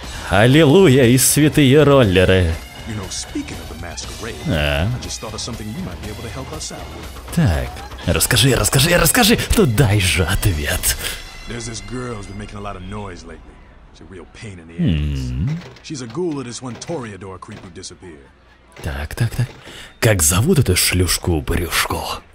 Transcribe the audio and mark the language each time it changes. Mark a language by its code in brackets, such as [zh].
[ru] Аллилуйя и святые роллеры. [en] You know, speaking of the masquerade, I just thought of something you might be able to help us out with. [ru] Так, расскажи, ну дай же ответ. [en] There's this girl who's been making a lot of noise lately. She's a real pain in the ass. She's a ghoul of this one Toreador creep who disappeared. [ru] Так. Как зовут эту шлюшку брюшко?